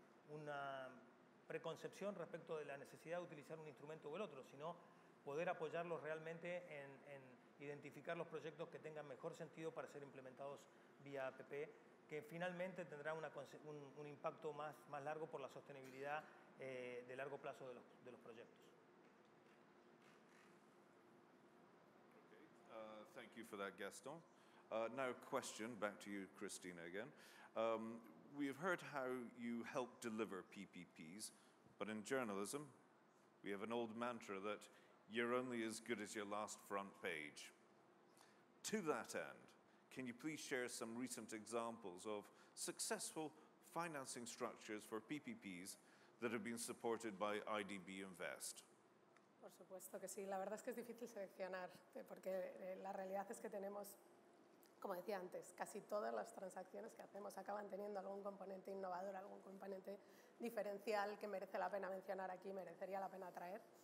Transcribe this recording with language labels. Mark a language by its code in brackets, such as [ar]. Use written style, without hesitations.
[es] una preconcepción respecto de la necesidad de utilizar un instrumento o el otro, sino poder apoyarlos realmente en identificar los proyectos que tengan mejor sentido para ser implementados vía APP, que finalmente tendrá un impacto más largo por la sostenibilidad de largo plazo de los proyectos. [en] Okay. Thank you for that, Gaston. Now, question back to you, Christina, again. We have heard how you help deliver PPPs, but in journalism, we have an old mantra that you're only as good as your last front page. To that end, can you please share some recent examples of successful financing structures for PPPs that have been supported by IDB Invest? [es] Por supuesto que sí. La verdad es que es difícil seleccionar, porque la realidad es que tenemos, como decía antes, casi todas las transacciones que hacemos acaban teniendo algún componente innovador, algún componente diferencial que merece la pena mencionar aquí, merecería la pena traer.